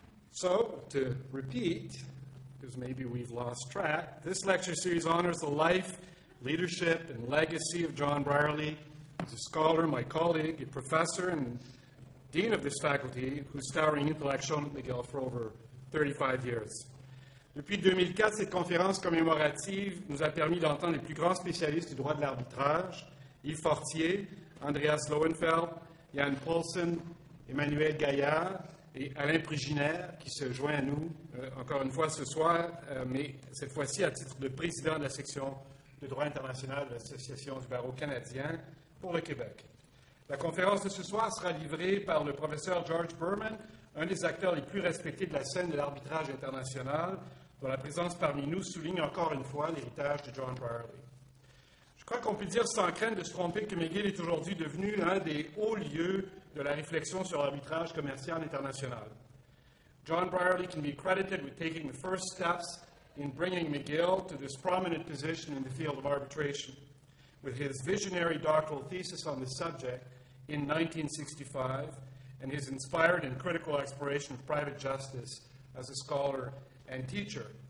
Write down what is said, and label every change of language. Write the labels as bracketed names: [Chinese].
[English] So, to repeat, because maybe we've lost track, this lecture series honors the life, leadership, and legacy of John Brierley, as a scholar, my colleague, a professor, and dean of this faculty, whose towering intellect shone at McGill for over 35 years. [French] Depuis 2004, cette conférence commémorative nous a permis d'entendre les plus grands spécialistes du droit de l'arbitrage, Yves Fortier, Andreas Lowenfeld, Jan Paulsen, Emmanuel Gaillard, et Alain Priginaire, qui se joint à nous encore une fois ce soir, mais cette fois-ci à titre de président de la section de droit international de l'Association du barreau canadien pour le Québec. La conférence de ce soir sera livrée par le professeur George Berman, un des acteurs les plus respectés de la scène de l'arbitrage international, dont la présence parmi nous souligne encore une fois l'héritage de John Brierley. Je crois qu'on peut dire sans crainte de se tromper que McGill est aujourd'hui devenu l'un des hauts lieux de la réflexion sur l'arbitrage commercial international. [English] John Brierley can be credited with taking the first steps in bringing McGill to this prominent position in the field of arbitration, with his visionary doctoral thesis on the subject in 1965, and his inspired and critical exploration of private justice as a scholar and teacher.